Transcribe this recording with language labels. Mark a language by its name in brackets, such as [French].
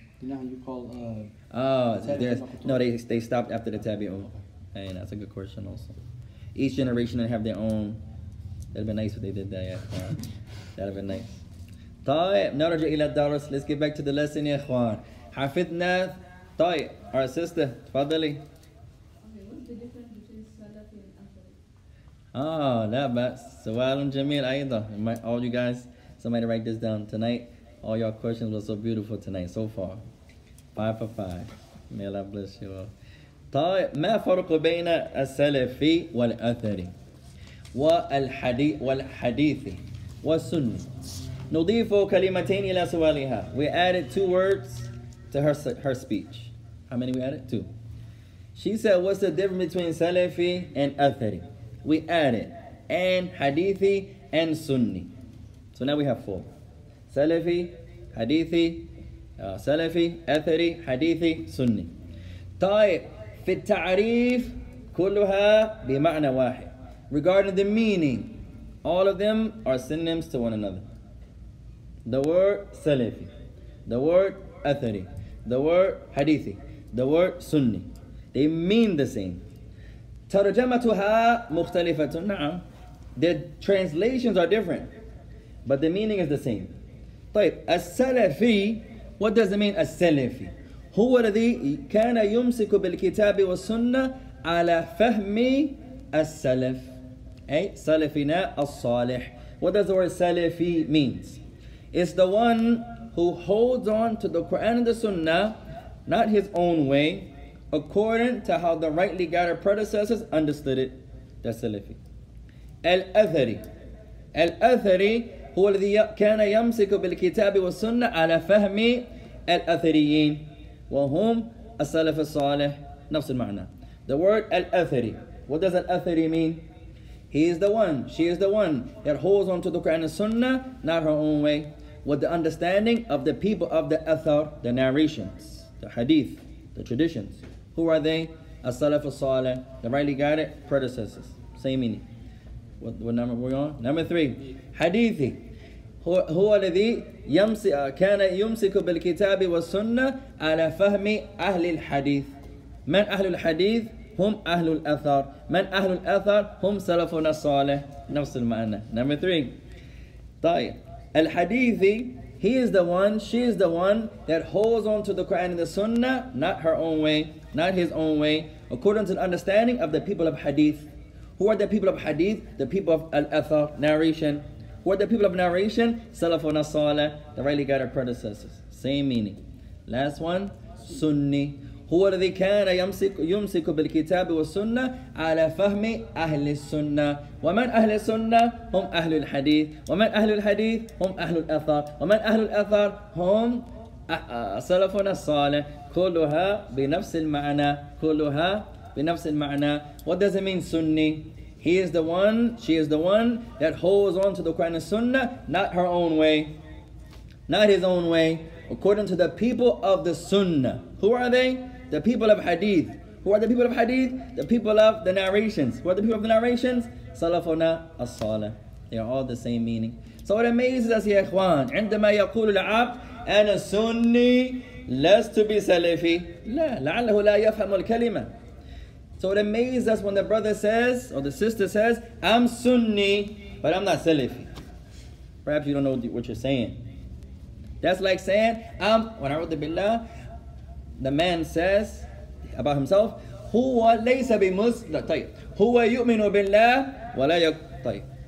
[English] You know how you call they stopped after the tabi'un. Okay. And that's a good question also. Each generation didn't have their own. That'd be nice if they did that, yeah. That'd be nice. [Arabic] طيب نرجع إلى الدرس. [English] Let's get back to the lesson, [Arabic] يا إخوان. حفظنا طيب [English] our sister, [Arabic] تفضلي. [English] Okay, what's the difference between [Arabic] السلف والأخر؟ لا بأس. سؤال جميل أيضا. [English] All you guys, somebody write this down tonight. All your questions were so beautiful tonight, so far. 5 for 5. May Allah bless you all. [Arabic] طيب ما فرق بين السلف والأثر والحديث والسنة. نضيف كلمتين إلى سؤالها. [English] We added two words to her speech. How many we added? Two. She said, what's the difference between سلفي and أثري? We added and حديثي and سني. So now we have four. [Arabic] سلفي, حديثي, سلفي, أثري, حديثي, سني. طيب في التعريف كلها بمعنى واحد. [English] Regarding the meaning, all of them are synonyms to one another. The word سلفي, the word أثري, the word حديثي, the word سني. They mean the same. [Arabic] ترجمتها مختلفة. نعم. [English] The translations are different, but the meaning is the same. طيب السلفي, what does it mean السلفي? [Arabic] هو الذي كان يمسك بالكتاب والسنة على فهم السلف. أي سلفنا الصالح. [English] What does the word سلفي means? It's the one who holds on to the Quran and the Sunnah, not his own way, according to how the rightly guided predecessors understood it. That's سلفي. الأثري. [Arabic] الأثري هو الذي كان يمسك بالكتاب والسنة على فهم الأثريين وهم السلف الصالح. نفس المعنى. [English] The word الأثري, what does الأثري mean? He is the one, she is the one that holds on to the Quran and Sunnah, not her own way, with the understanding of the people of the Athar, the narrations, the hadith, the traditions. Who are they? [Arabic] السلف الصالح, [English] the rightly guided predecessors. Same meaning. What number were we on? Number three. حديثي. [Arabic] هو الذي كان يمسك بالكتاب والسنة على فهم أهل الحديث. من أهل الحديث؟ هم أهل الأثر. من أهل الأثر؟ هم سلفنا الصالح. نفس المعنى. [English] Number three. [Arabic] طيب. [English] Al-Hadithi, he is the one, she is the one that holds on to the Quran and the Sunnah, not her own way, not his own way, according to the understanding of the people of Hadith. Who are the people of Hadith? The people of Al-Athar, narration. Who are the people of narration? Salafun as-Salih, the rightly guided predecessors. Same meaning. Last one, Sunni. [Arabic] هو الذي كان يمسك بالكتاب والسنة على فهم أهل السنة ومن أهل السنة هم أهل الحديث ومن أهل الحديث هم أهل الأثر ومن أهل الأثر هم سلفنا الصالح كلها بنفس المعنى كلها بنفس المعنى. [English] What does it mean, Sunni? He is the one, she is the one that holds on to the Quran and Sunnah, not her own way, not his own way, according to the people of the Sunnah. Who are they? The people of Hadith. Who are the people of Hadith? The people of the narrations. Who are the people of the narrations? Salafuna as-Salih. They are all the same meaning. So it amazes us, ya ikhwan, [Arabic] عندما يقول العبد أنا سني لست بسلفي. لا لعله لا يفهم الكلمة. [English] So it amazes us when the brother says or the sister says, I'm Sunni, but I'm not Salafi. Perhaps you don't know what you're saying. That's like saying, when I wrote the billah, the man says about himself, [Arabic] huwa laysa bi muslim, [English] طيب, [Arabic] huwa yu'minu billah wa la yaqta'.